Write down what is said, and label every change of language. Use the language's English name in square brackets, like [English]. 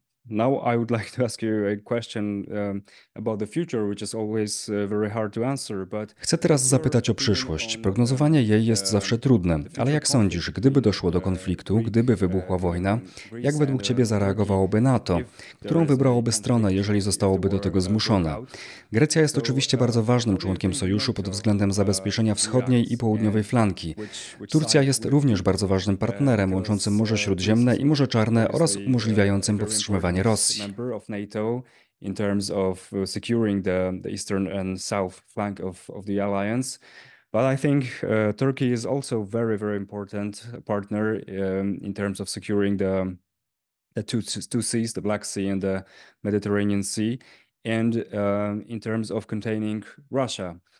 [English] Now I would like to ask you a question about the future, which is always very hard to answer, but [Polish] chcę teraz zapytać o przyszłość. Prognozowanie jej jest zawsze trudne, ale jak sądzisz, gdyby doszło do konfliktu, gdyby wybuchła wojna, jak według ciebie zareagowałoby NATO? Którą wybrałoby stronę, jeżeli zostałoby do tego zmuszona? Grecja jest oczywiście bardzo ważnym członkiem sojuszu pod względem zabezpieczenia wschodniej i południowej flanki. Turcja jest również bardzo ważnym partnerem łączącym Morze Śródziemne i Morze Czarne oraz umożliwiającym powstrzymanie [English] member of NATO in terms of securing the eastern and south flank of the alliance. But I think Turkey is also very, very important partner in terms of securing the two seas, the Black Sea and the Mediterranean Sea, and in terms of containing Russia.